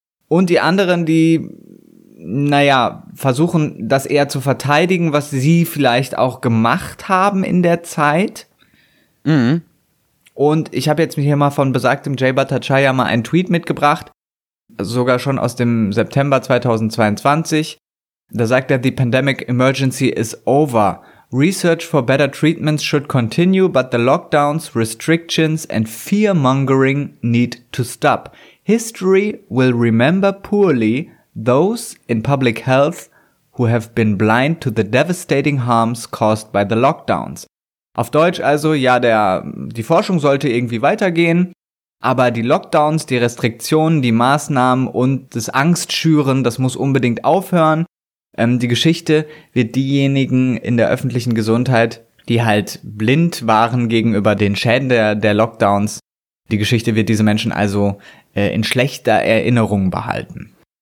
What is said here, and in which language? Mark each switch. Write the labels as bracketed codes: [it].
[de] Und die anderen, die, naja, versuchen, das eher zu verteidigen, was sie vielleicht auch gemacht haben in der Zeit. Mhm. Und ich habe jetzt hier mal von besagtem Jay Bhattacharya mal einen Tweet mitgebracht, sogar schon aus dem September 2022. Da sagt er, [en] the pandemic emergency is over. Research for better treatments should continue, but the lockdowns, restrictions and fear-mongering need to stop. History will remember poorly those in public health who have been blind to the devastating harms caused by the lockdowns. [de] Auf Deutsch also, ja, die Forschung sollte irgendwie weitergehen, aber die Lockdowns, die Restriktionen, die Maßnahmen und das Angstschüren, das muss unbedingt aufhören. Die Geschichte wird diejenigen in der öffentlichen Gesundheit, die halt blind waren gegenüber den Schäden der Lockdowns, die Geschichte wird diese Menschen also in schlechter Erinnerung behalten.